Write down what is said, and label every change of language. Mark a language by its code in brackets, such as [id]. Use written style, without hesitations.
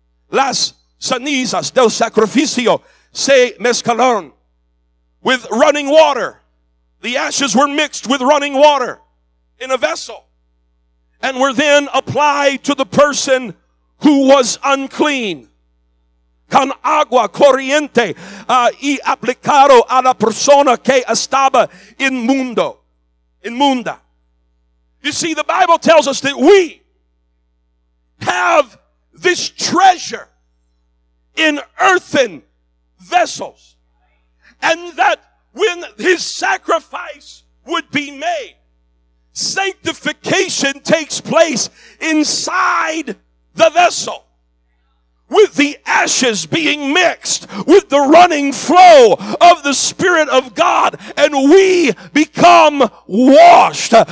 [es] Las cenizas del sacrificio se mezclaron [en] with running water. The ashes were mixed with running water in a vessel and were then applied to the person who was unclean. [es] Con agua corriente y aplicado a la persona que estaba inmunda. [en] You see, the Bible tells us that we have this treasure in earthen vessels, and that when his sacrifice would be made, sanctification takes place inside the vessel, with the ashes being mixed with the running flow of the Spirit of God, and we become washed.